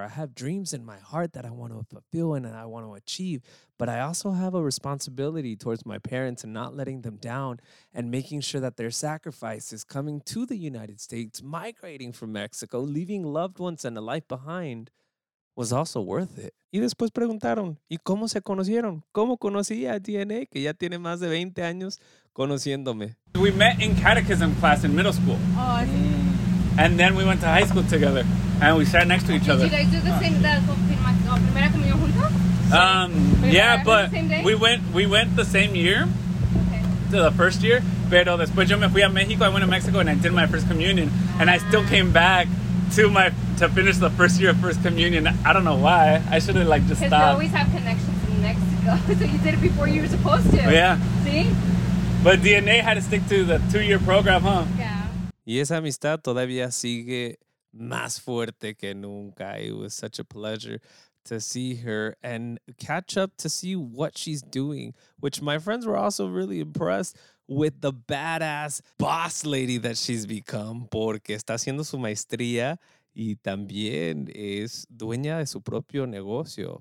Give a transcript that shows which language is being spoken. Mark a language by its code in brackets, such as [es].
[en] I have dreams in my heart that I want to fulfill and that I want to achieve. But I also have a responsibility towards my parents and not letting them down and making sure that their sacrifice is coming to the United States, migrating from Mexico, leaving loved ones and a life behind, was also worth it. [es] Y después preguntaron, ¿y cómo se conocieron? ¿Cómo conocí a DNA, que ya tiene más de 20 años conociéndome? [en] We met in catechism class in middle school. Oh, I see. And then we went to high school together. And we sat next to each other. Did you guys do the same, the [es] primera comunión juntos? [en] Yeah, but we went the same year. Okay. To the first year. [es] Pero después yo me fui a México, [en] I went to Mexico, and I did my first communion. And I still came back to finish the first year of first communion. I don't know why. I should have, like, just stopped. Because you always have connections in Mexico. So you did it before you were supposed to. Oh, yeah. See? But DNA had to stick to the two-year program, huh? Yeah. [es] Y esa amistad todavía sigue más fuerte que nunca. [en] It was such a pleasure to see her and catch up to see what she's doing, which my friends were also really impressed with the badass boss lady that she's become, [es] porque está haciendo su maestría y también es dueña de su propio negocio.